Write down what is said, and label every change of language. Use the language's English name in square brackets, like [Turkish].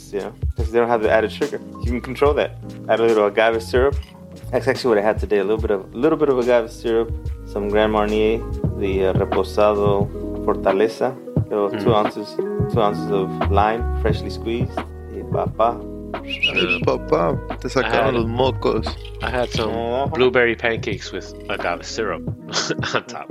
[English] Yeah, because they don't have the added sugar. You can control that. Add a little agave syrup. That's actually what I had today. A little bit of agave syrup. Some Grand Marnier, the Reposado Fortaleza. Little 2 ounces. 2 ounces of lime, freshly squeezed. [Spanish] Y papá. Papá, te sacaron los mocos. [English] I had some blueberry pancakes with agave syrup on top.